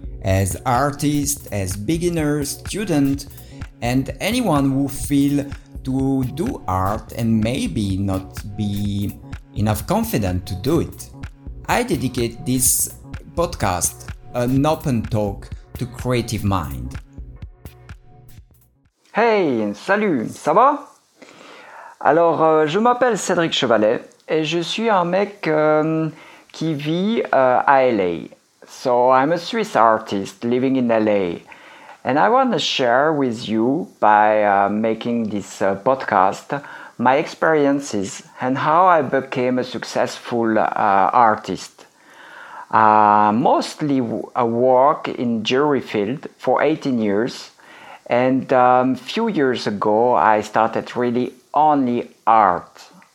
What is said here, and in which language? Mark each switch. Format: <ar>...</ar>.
<en>As artists, as beginners, students, and anyone who feel to do art and maybe not be enough confident to do it. I dedicate this podcast, an open talk, to creative mind.</en> <fr>Hey, salut, ça va? Alors, je m'appelle Cédric Chevalet et je suis un mec qui vit à LA.</fr> <en>So, I'm a Swiss artist living in LA. And I want to share with you, by making this podcast, my experiences and how I became a successful artist. Mostly I work in jewelry field for 18 years, and a few years ago I started really only art.</en>